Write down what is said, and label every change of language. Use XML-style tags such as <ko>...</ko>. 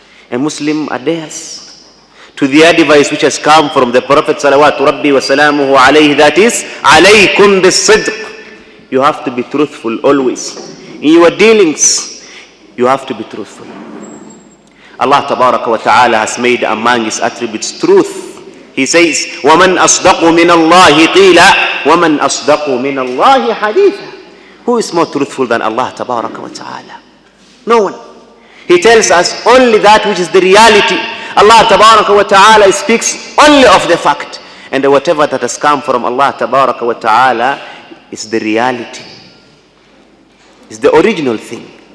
<en>A Muslim adheres to the advice which has come from the Prophet salawatu rabbi wa salamuhu alayhi, that is,</en> <ar>alaykum bis-sidq.</ar> <en>You have to be truthful always. In your dealings, you have to be truthful. Allah tabaraka wa ta'ala has made among his attributes truth. He says,</en> <ar>وَمَنْ أَصْدَقُ مِنَ اللَّهِ قِيلًا وَمَنْ أَصْدَقُ مِنَ اللَّهِ حَدِيثًا.</ar> <en>Who is more truthful than Allah tabaraka wa ta'ala? No one. He tells us only that which is the reality. Allah tabaraka wa ta'ala speaks only of the fact. And whatever that has come from Allah tabaraka wa ta'ala is the reality. It's the original thing.</en>